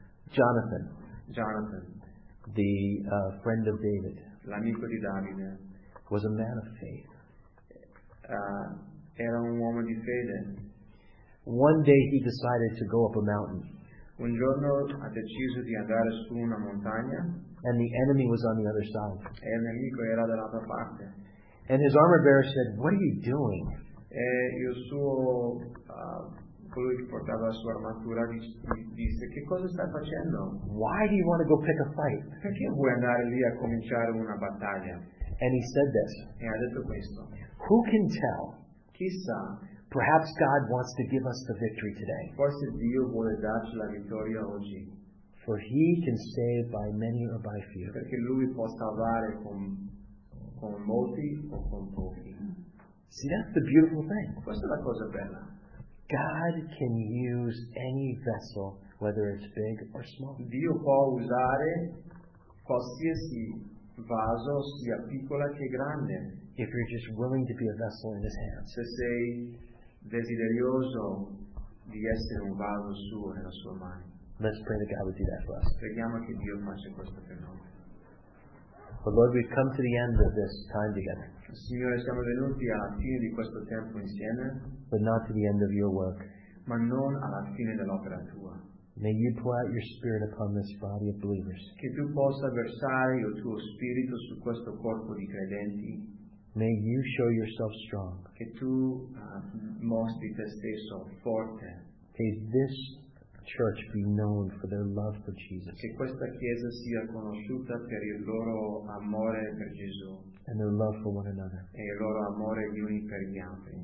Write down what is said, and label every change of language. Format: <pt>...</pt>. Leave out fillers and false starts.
<en>Jonathan, the friend of David.</en> <it>L'amico di Davide.</it> <en>Was a man of faith.</en> <it>Era un uomo di fede.</it> <en>One day he decided to go up a mountain.</en> <it>Un giorno ha deciso di andare su una montagna.</it> <en>And the enemy was on the other side.</en> <it>E il nemico era dall'altra parte.</it> <en>And his armor bearer said, "What are you doing?"</en> <it>E il suo colui che portava la sua armatura disse, "Che cosa stai facendo?</it> <en>Why do you want to go pick a fight?"</en> <it>Perché vuoi andare lì a cominciare una battaglia?</it> <en>And he said this.</en> <it>E ha detto questo.</it> <en>Who can tell?</en> <it>Chissà.</it> <en>Perhaps God wants to give us the victory today.</en> <it>Forse Dio vuole darci la vittoria oggi.</it> <en>For He can save by many or by few.</en> <it>Perché Lui può salvare con molti o con pochi.</it> <en>See, that's the beautiful thing.</en> <it>Questa è la cosa bella.</it> <en>God can use any vessel, whether it's big or small.</en> <it>Dio può usare qualsiasi vaso, sia piccola che grande.</it> <en>If you're just willing to be a vessel in His hands.</en> <it>Se sei desideroso di essere un vaso suo nella sua mano.</it> <en>Let's pray that God would do that for us.</en> <it>Crediamo che Dio faccia questo per noi.</it> <en>But Lord, we've come to the end of this time together.</en> <it>Signore, siamo venuti alla fine di questo tempo insieme.</it> <en>But not to the end of Your work.</en> <it>Ma non alla fine dell'opera tua.</it> <en>May You pour out Your Spirit upon this body of believers.</en> <it>Che tu possa versare il tuo spirito su questo corpo di credenti.</it> <en>May You show Yourself strong.</en> <it>Che tu mostri te stesso forte.</it> <en>May this church be known for their love for Jesus.</en> <it>Che questa chiesa sia conosciuta per il loro amore per Gesù.</it> <en>And their love for one another.</en> <it>E il loro amore gli uni per gli altri.</it>